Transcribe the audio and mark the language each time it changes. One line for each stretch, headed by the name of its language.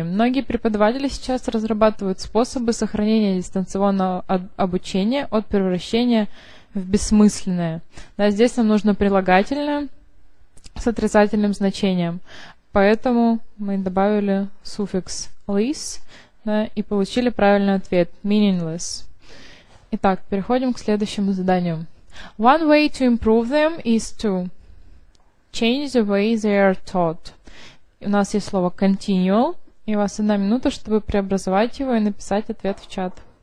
Russian: Многие преподаватели сейчас разрабатывают способы сохранения дистанционного обучения от превращения в бессмысленное. Да, здесь нам нужно прилагательное с отрицательным значением. Поэтому мы добавили суффикс «-less». Да, и получили правильный ответ – meaningless. Итак, переходим к следующему заданию.
English: One way to improve them is to change the way they are taught.
Russian: У нас есть слово continual, и у вас одна минута, чтобы преобразовать его и написать ответ в чат.